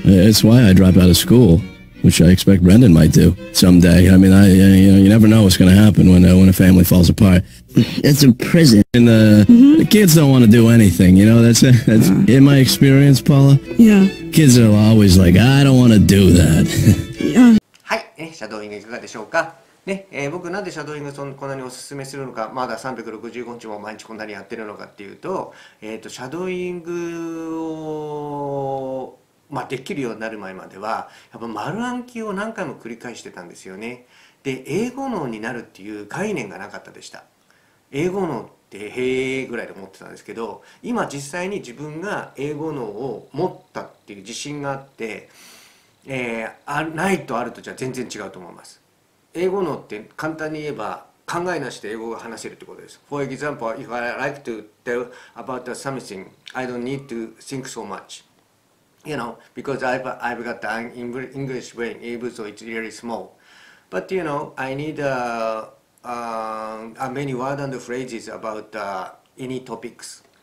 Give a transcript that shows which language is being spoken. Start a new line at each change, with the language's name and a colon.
English: It's why I dropped out of school, which I expect Brendan might do someday. I mean, you never know what's going to happen when a family falls apart. It's a prison. And the kids don't want to do anything, you know? That's in my experience, Paula. Yeah. Kids are always like, I don't want to do that.
Japanese: はい、シャドーイングいかがでしょうか、ね僕なんでシャドーイングをこんなにおすすめするのか、まだ365日も毎日こんなにやってるのかっていうと、シャドーイングを、できるようになる前までは、やっぱ丸暗記を何回も繰り返してたんですよね。で、英語脳になるっていう概念がなかったでした。英語脳ってへーぐらいで思ってたんですけど、今実際に自分が英語脳を持ったっていう自信があって、ないとあるとじゃ全然違うと思います。英語脳って簡単に言えば考えなしで英語が話せるってことです。
English: For example, if I like to tell about something, I don't need to think so much. You know, because I've got an English brain, even though it's really small. But, you know, I need many words and phrases about any topics.